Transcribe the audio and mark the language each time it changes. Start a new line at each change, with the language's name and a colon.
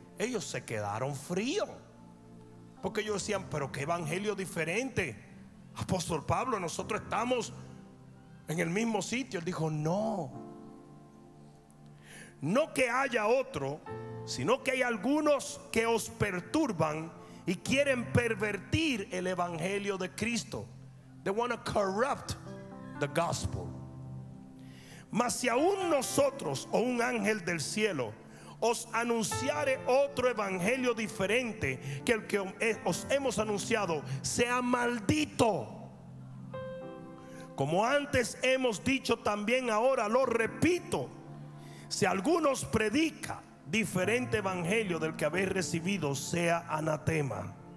Spanish: Ellos se quedaron fríos, porque ellos decían: pero qué evangelio diferente, apóstol Pablo, nosotros estamos en el mismo sitio. Él dijo: no, no que haya otro, sino que hay algunos que os perturban y quieren pervertir el evangelio de Cristo.
English: They want to corrupt the gospel.
Spanish: Mas si aún nosotros o un ángel del cielo os anunciare otro evangelio diferente que el que os hemos anunciado, sea maldito. Como antes hemos dicho, también ahora lo repito: si alguno os predica diferente evangelio del que habéis recibido, sea anatema.